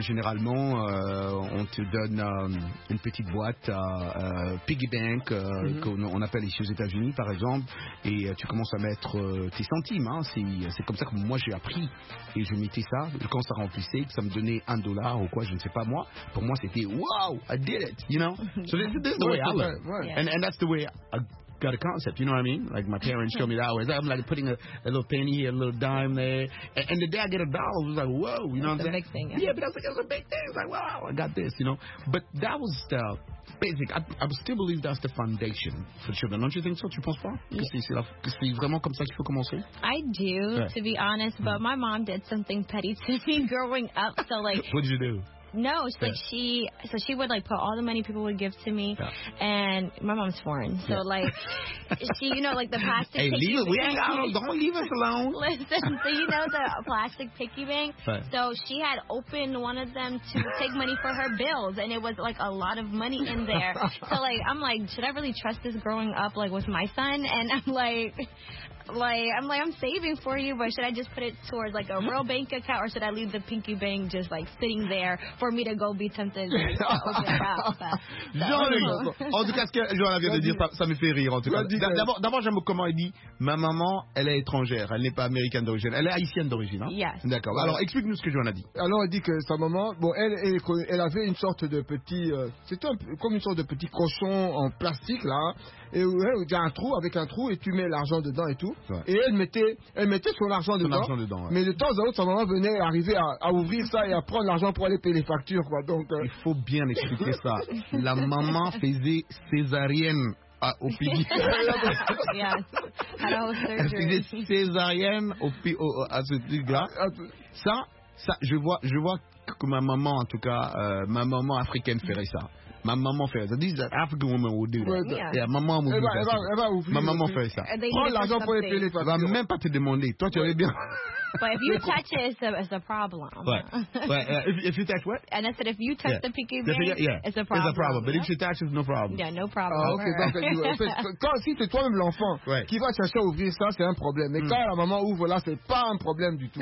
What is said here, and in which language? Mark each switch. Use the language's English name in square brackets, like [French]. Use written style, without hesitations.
[French] Généralement, on te donne une petite boîte, piggy bank, qu'on appelle ici aux États-Unis, par exemple, et tu commences à mettre tes centimes. Hein. C'est comme ça que moi, j'ai appris. Et je mettais ça, quand ça remplissait, que ça me donnait un dollar ou quoi, je ne sais pas moi. Pour moi, c'était [English] « Wow, I did it !» You know ? So that's the way I learned. And that's the way I got a concept, you know what I mean? Like my parents show me that way. I'm like putting a little penny here, a little dime there. And the day I get a dollar, I was like, whoa, you know what I'm saying? That's a big thing. Yeah, but I was like, it was a big thing. It's like, wow, I got this, you know? But that was the basic. I still believe that's the foundation for children. Don't you think so? [French] Tu penses pas? [English] Yeah. [French] Que c'est vraiment comme ça qu'il faut commencer? [English] I do, right. To be honest, but my mom did something petty to me growing up. So like, what did you do? No, she would like put all the money people would give to me, and my mom's foreign, so like she, you know, like the plastic. Hey, leave it. We ain't got no. Don't leave us alone. Listen, so you know the plastic piggy bank. So she had opened one of them to take money for her bills, and it was like a lot of money in there. So like I'm like, should I really trust this growing up like with my son? And I'm like. Like, I'm saving for you, but should I just put it towards, like, a real bank account, or should I leave the pinky bank just, like, sitting there for me to go be tempted? [French] En tout cas, ce que Johanna vient de dire, ça me fait rire, en tout cas. D'abord, j'aime comment elle dit, ma maman, elle est étrangère, elle n'est pas américaine d'origine, elle est haïtienne d'origine, hein? [English] Yes. [French] D'accord. Alors, explique-nous ce que Johanna dit. Alors, elle dit que sa maman, bon, elle avait une sorte de petit, comme une sorte de petit cochon en plastique, là, et où il y a un trou, avec un trou, et tu mets l'argent dedans et tout. Ouais. Et elle mettait son argent dedans ouais. Mais de temps à autre, sa maman venait arriver à ouvrir ça et à prendre l'argent pour aller payer les factures, quoi. Donc, il faut bien expliquer ça. La maman faisait césarienne au piggy bank. Elle faisait césarienne à ce truc-là. Ça, je vois que ma maman, en tout cas, ma maman africaine ferait ça. Ma maman fait ça. [English] This is an African woman would do that. Yeah, maman would do that. [French] Ma maman fait ça. Prends l'argent pour les téléphones. Elle va même pas te demander. Toi, tu avais bien. [English] But if you touch it, it's a problem. Right. If you touch what? And I said, if you touch the PQB, it's a problem. It's a problem. But if you touch it, no problem. Yeah, no problem. Ah, okay. [French] Donc, si c'est toi-même l'enfant qui va chercher à ouvrir ça, c'est un problème. Mais quand la maman ouvre là, c'est pas un problème du tout.